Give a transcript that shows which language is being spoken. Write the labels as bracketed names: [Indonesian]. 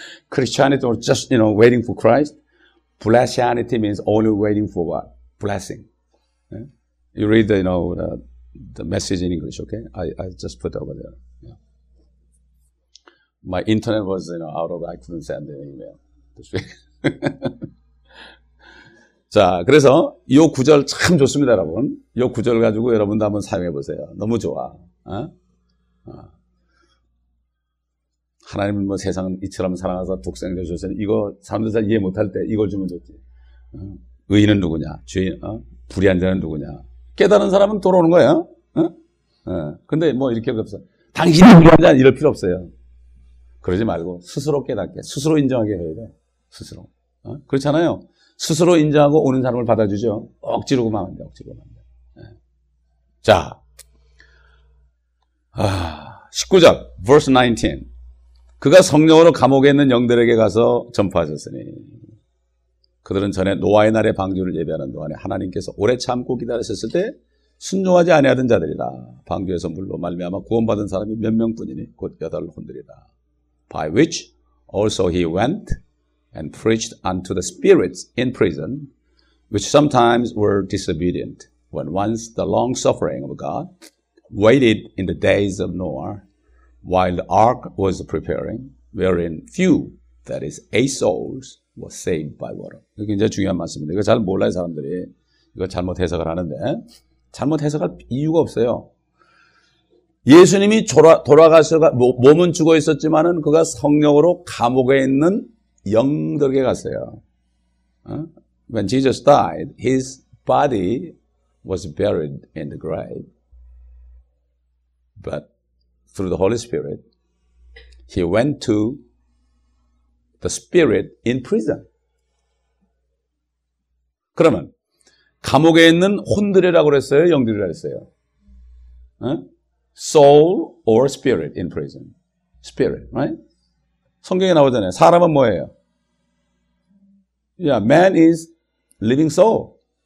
[English] Christianity or just, you know, waiting for Christ? Blessianity means only waiting for what? Blessing. You read the, you know, the message in English, okay? I just put it over there. Yeah. My internet was, you know, out of, I couldn't send an email this week. [Korean] 자, 그래서 이 구절 참 좋습니다, 여러분. 이 구절 가지고 여러분도 한번 사용해 보세요. 너무 좋아. 하나님 뭐 세상 이처럼 사랑하사 독생자 주셨으니 이거 사람들 잘 이해 못할 때 이걸 주면 좋지. 의인은 누구냐? 죄인, 불의한 자는 누구냐? 깨달은 사람은 돌아오는 거야. 근데 뭐 이렇게 없어. 당신이 불의한 자 이럴 필요 없어요. 그러지 말고 스스로 깨닫게, 스스로 인정하게 해야 돼. 스스로. 그렇잖아요. 스스로 인정하고 오는 사람을 받아주죠. 억지로구만 한다, 억지로구만 한다. 네. 자. 19절, [English] verse 19. [Korean] 그가 성령으로 감옥에 있는 영들에게 가서 전파하셨으니. 그들은 전에 노아의 날에 방주를 예배하는 동안에 하나님께서 오래 참고 기다리셨을 때 순종하지 아니하던 자들이라. 방주에서 물로 말미암아 구원받은 사람이 몇 명 뿐이니 곧 여덟 혼들이라. [English] By which also he went. And preached unto the spirits in prison, which sometimes were disobedient, when once the long suffering of God waited in the days of Noah, while the ark was preparing, wherein few, that is, eight souls, were saved by water. [Korean] 이게 굉장히 중요한 말씀입니다. 이거 잘 몰라요, 사람들이. 이거 잘못 해석을 하는데. 잘못 해석할 이유가 없어요. 예수님이 돌아가서, 몸은 죽어 있었지만은 그가 성령으로 감옥에 있는 영덕에 갔어요. [English] When Jesus died, his body was buried in the grave. But through the Holy Spirit, he went to the spirit in prison. [Korean] 그러면 감옥에 있는 혼들이라고 그랬어요? 영들이라고 그랬어요? [English] Soul or spirit in prison? Spirit, right? [Korean] 성경에 나오잖아요. 사람은 뭐예요? [English] Yeah, man is living soul.